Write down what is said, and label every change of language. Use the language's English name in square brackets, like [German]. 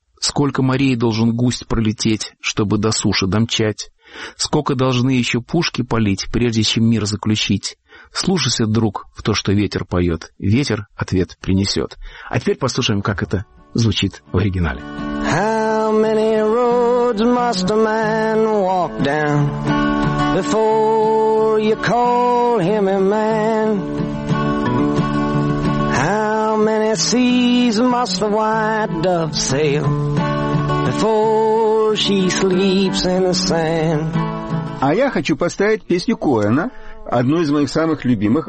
[Russian] Сколько морей должен гусь пролететь, чтобы до суши домчать? Сколько должны еще пушки палить, прежде чем мир заключить? Слушайся, друг, в то, что ветер поет, ветер ответ принесет. А теперь послушаем, как это звучит в оригинале. [English] How many roads? woods must a man walk down before you call him a man? How many seas must the white dove sail before she sleeps in the sand? [Russian] А я хочу поставить песню Коэна, одну из моих самых любимых.